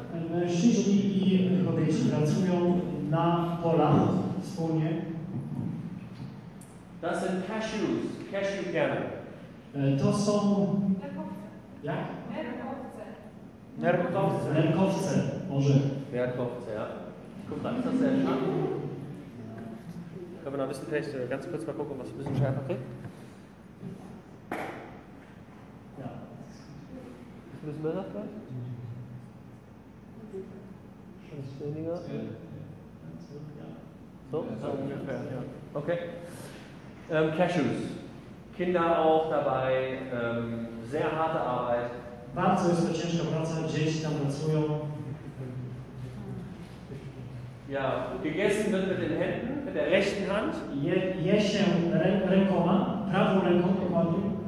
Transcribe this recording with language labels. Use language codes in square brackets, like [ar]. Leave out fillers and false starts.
[pl] Mężczyźni i kobiety pracują na polach wspólnie. [de] Das sind Cashews, Cashewkerne. [pl] To są... Nerkowce. Nerkowce, może. Nerkowce, ja. [de] Ich habe noch ein bisschen Text, ganz kurz mal gucken, was ein bisschen schärfer kriegt. Ja. Ist ein bisschen besser vielleicht? Ein bisschen weniger? Ja. So? Ja, so ungefähr, ja. Okay. Cashews. Kinder auch dabei, sehr harte Arbeit. [pl] Bardzo jest to ciężka praca, dzieci tam pracują. [de] Ja, gegessen wird mit den Händen, mit der rechten Hand. [pl] Je się rękoma, prawą ręką dokładnie.